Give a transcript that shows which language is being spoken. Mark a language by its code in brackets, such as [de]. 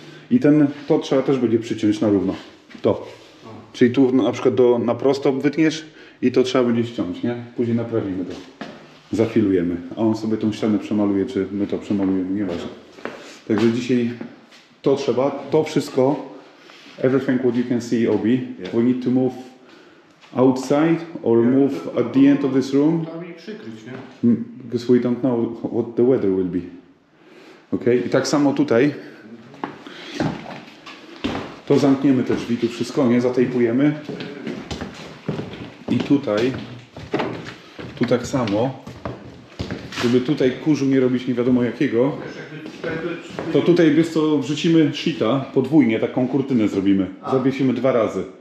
[pl] I to trzeba też będzie przyciąć na równo. To. Czyli tu na przykład na prosto wytniesz i to trzeba będzie ściąć, nie? Później naprawimy to. Zafilujemy. A on sobie tą ścianę przemaluje, czy my to przemalujemy, nieważne. Także dzisiaj to trzeba, to wszystko. [en] Everything what you can see, Obi. Yeah. We need to move outside or move at the end of this room. [pl] Tam i przykryć, nie? [en] Because we don't know what the weather will be. [pl] Okay? I tak samo tutaj. To zamkniemy te drzwi, tu wszystko, nie? Zatejpujemy. I tutaj. Tu tak samo. Żeby tutaj kurzu nie robić nie wiadomo jakiego. To tutaj, wiesz co, wrzucimy sheeta podwójnie, taką kurtynę zrobimy. Zawiesimy dwa razy.